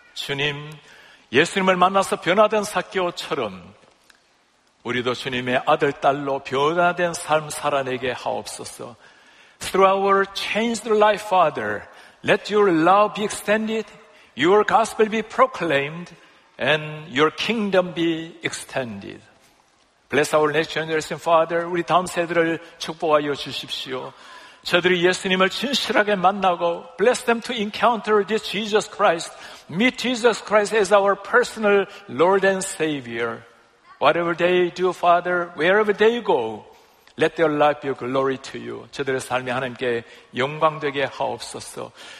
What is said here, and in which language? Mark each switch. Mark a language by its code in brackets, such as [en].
[ko] 주님, 예수님을 만나서 변화된 삭개오처럼 우리도 주님의 아들, 딸로 변화된 삶 살아내게 하옵소서. [en] Through our changed life, Father, let your love be extended, your gospel be proclaimed, and your kingdom be extended. Bless our next generation, Father. [ko] 우리 다음 세대를 축복하여 주십시오. 저들이 예수님을 진실하게 만나고, [en] bless them to encounter this Jesus Christ, meet Jesus Christ as our personal Lord and Savior. Whatever they do, Father, wherever they go, let their life be a glory to you. [ko] 저들의 삶이 하나님께 영광되게 하옵소서.